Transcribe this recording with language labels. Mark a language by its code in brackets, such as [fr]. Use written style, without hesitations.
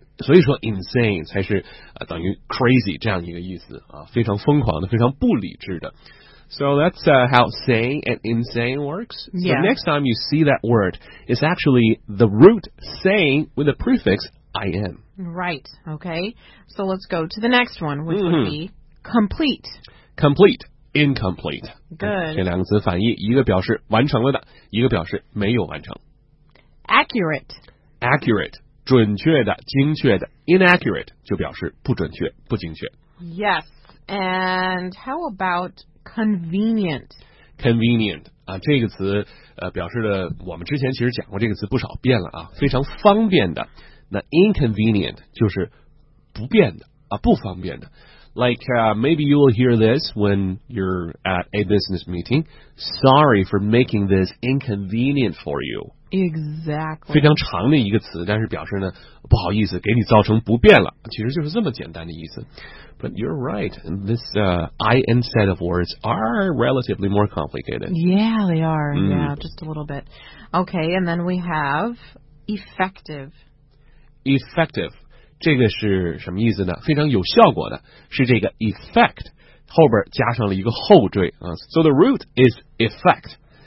[zh] 所以说 insane 才是等于 crazy 这样一个意思啊，非常疯狂的，非常不理智的。 [en] So that's how sane and insane works. So yeah. Next time you see that word, it's actually the root sane with the prefix in. Right. Okay. So let's go to the next one, which would be complete. Complete. Incomplete. Good. [zh] 这两个词反义，一个表示完成了的，一个表示没有完成。 [en] Accurate. [zh] Accurate. 准确的,精确的, inaccurate, 就表示不准确,不精确. [en] Yes, and how about convenient? [zh] Convenient, 这个词, 表示的, 我们之前其实讲过这个词不少遍了, 非常方便的, 那 inconvenient, 就是不便的, 不方便的. [en] Like, maybe you will hear this when you're at a business meeting. Sorry for making this inconvenient for you. Exactly. [zh] 非常长的一个词, 但是表示呢, 不好意思, 给你造成不便了, 其实就是这么简单的意思。 [en] But you're right. This IN set of words are relatively more complicated. Yeah, they are. Mm. Yeah, just a little bit. Okay, and then we have effective. [zh] Effective. 这个是什么意思呢?非常有效果的, 是这个 effect, 后边加上了一个后缀, [en] so the root is effect.